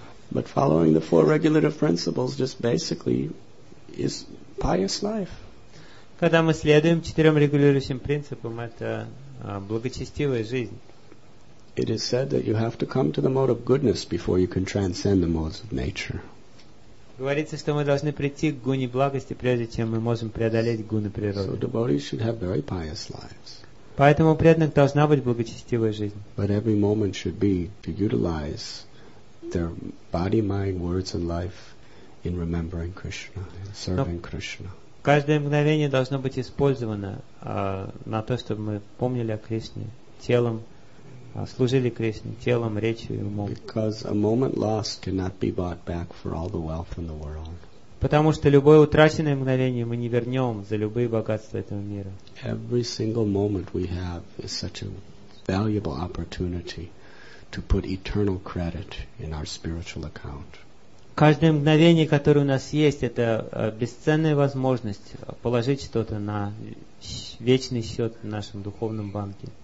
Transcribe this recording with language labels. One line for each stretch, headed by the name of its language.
English: But following the four regulative principles just basically is pious life.
Russian: Когда мы следуем четырем регулирующим принципам, это благочестивая жизнь.
English: It is said that you have to come to the mode of goodness before you can transcend the modes of nature.
Russian: Говорится, что мы должны прийти к гуне благости, прежде чем мы можем преодолеть гуны природы.
English: So devotees should have very pious lives.
Russian: Поэтому у преданных должна быть благочестивая жизнь.
English: But every moment should be to utilize their body, mind, words, and life in remembering Krishna, in serving Krishna.
Russian: Каждое мгновение должно быть использовано на то, чтобы мы помнили о Кришне, телом, служили Кришне, телом, речью и умом.
English: Because a moment lost cannot be bought back for all the wealth in the world.
Russian: Потому что любое утраченное мгновение мы не вернем за любые богатства этого мира.
English: Every single moment we have is such a valuable opportunity to put eternal credit in our spiritual account.
Russian: Каждое мгновение, которое у нас есть, это бесценная возможность положить что-то на вечный счет в нашем духовном банке.